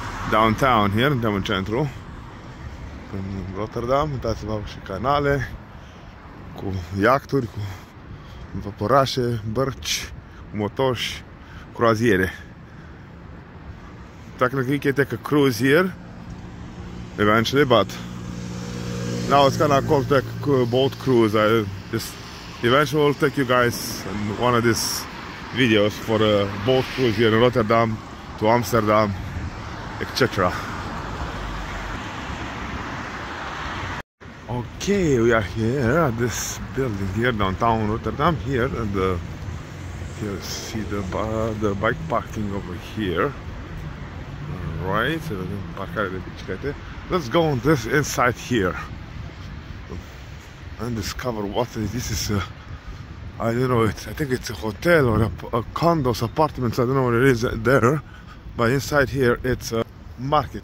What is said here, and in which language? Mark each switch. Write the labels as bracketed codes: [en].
[en] Downtown here, [ro] suntem în centru. În Rotterdam, uitați-vă și canale cu iachturi, cu vaporașe, bărci, motoși, croaziere. [en] Technically, you can take a cruise here eventually, but now it's kind of called the boat cruise. I just eventually will take you guys in one of these videos for a boat cruise here in Rotterdam to Amsterdam, etc. Okay, we are here at this building here downtown Rotterdam here, and you see the bike parking over here. [ro] Right, să vedem parcarea de biciclete. [en] Let's go on this inside here and discover what is this. Is I don't know, I think it's a hotel or a condos, apartments, I don't know what it is there, but inside here it's a market.